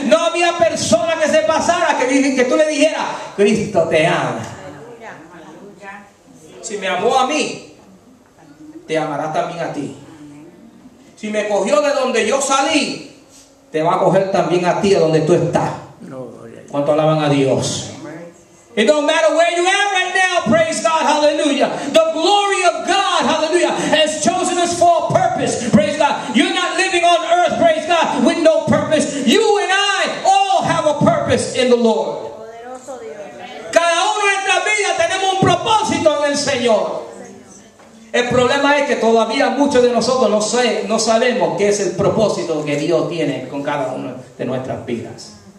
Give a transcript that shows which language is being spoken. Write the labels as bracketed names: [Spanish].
[Spanish] No había persona que se pasara que tú le dijeras, Cristo te ama. Aleluya, aleluya. Si me amó a mí, te amará también a ti. Si me cogió de donde yo salí, te va a coger también a ti, a donde tú estás. ¿Cuánto alaban a Dios? [English] It don't matter where you are right now, praise God, hallelujah. The glory of God, hallelujah, has chosen us for a purpose, praise God. You're not living on earth, praise God, with no purpose. You and I all have a purpose in the Lord. [Spanish] Cada uno en nuestra vida tenemos un propósito en el Señor. El problema es que todavía muchos de nosotros no sabemos qué es el propósito que Dios tiene con cada uno de nuestras vidas.